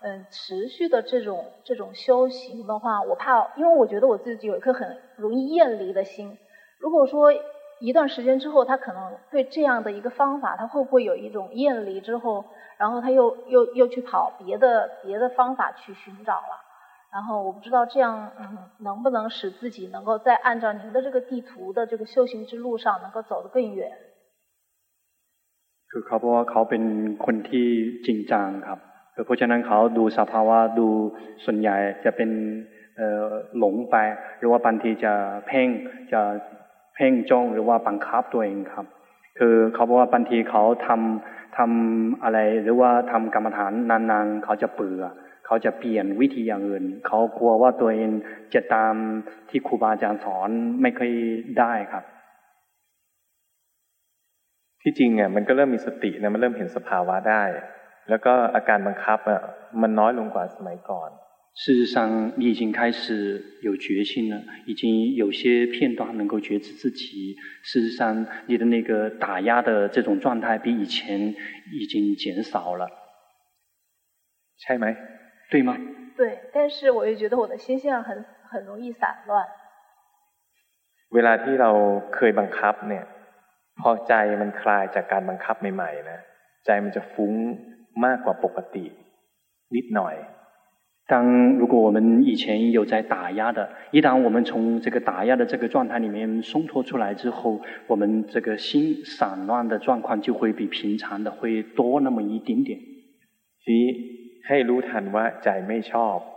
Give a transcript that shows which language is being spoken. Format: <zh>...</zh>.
<zh>持续的这种修行的话我怕因为我觉得我自己有一颗很容易厌离的心如果说一段时间之后他可能对这样的一个方法他会不会有一种厌离之后然后他又去跑别的方法去寻找了然后我不知道这样能不能使自己能够在按照您的这个地图的这个修行之路上能够走得更远</zh> <th>คือเขาบอกว่าเขาเป็นคนที่จริงจังครับเพราะฉะนั้นเขาดูสภาวะดูส่วนใหญ่จะเป็นหลงไปหรือว่าบางทีจะเพ่งจ้องหรือว่าบังคับตัวเองครับคือเขาบอกว่าบางทีเขาทำอะไรหรือว่าทำกรรมฐานนานๆเขาจะเบื่อเขาจะเปลี่ยนวิธีอย่างอื่นเขากลัวว่าตัวเองจะตามที่ครูบาอาจารย์สอนไม่เคยได้ครับ ที่จริงอ่ะมันก็เริ่มมีสตินะมันเริ่มเห็นสภาวะได้แล้วก็อาการบังคับอ่ะมันน้อยลงกว่าสมัยก่อน</th> <zh>事实上你已经开始有决心了已经有些片段能够觉知自己事实上你的那个打压的这种状态比以前已经减少了</zh> <th>ใช่ไหม</th> <zh>对吗对但是我又觉得我的心性很容易散乱</zh> <th>เวลาที่เราเคยบังคับเนี่ยพอใจมันคลายจากการบังคับใหม่ๆนะใจมันจะฟุ้งมากกว่าปกตินิดหน่อย</th> <zh>当如果我们以前有在打压的一旦我们从这个打压的这个状态里面松脱出来之后我们这个心散乱的状况就会比平常的会多那么一点点</zh> <th>ทีให้รู้ทันว่าใจไม่ชอบ</th>